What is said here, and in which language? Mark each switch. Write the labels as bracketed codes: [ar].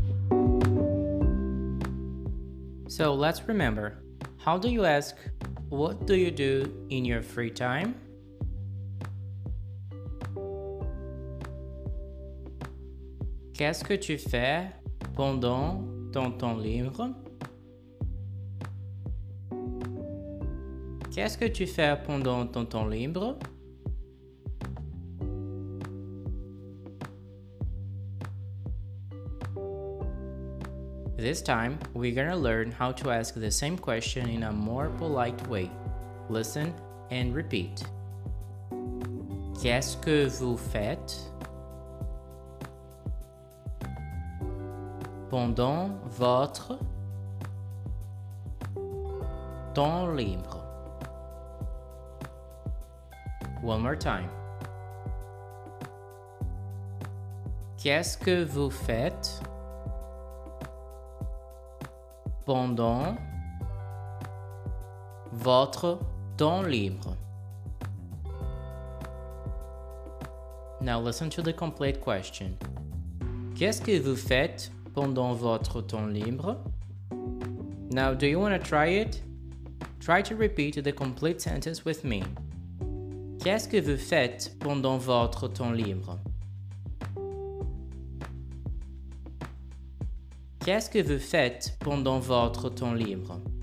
[en] So let's remember, how do you ask, what do you do in your free time? [fr] Qu'est-ce que tu fais pendant ton temps libre? Qu'est-ce que tu fais pendant ton temps libre? [en] This time, we're gonna learn how to ask the same question in a more polite way. Listen and repeat. [fr] Qu'est-ce que vous faites pendant votre temps libre? [en] One more time. [fr] Qu'est-ce que vous faites pendant votre temps libre. [en] Now listen to the complete question. [fr] Qu'est-ce que vous faites pendant votre temps libre? [en] Now, do you want to try it? Try to repeat the complete sentence with me. [fr] Qu'est-ce que vous faites pendant votre temps libre? Qu'est-ce que vous faites pendant votre temps libre?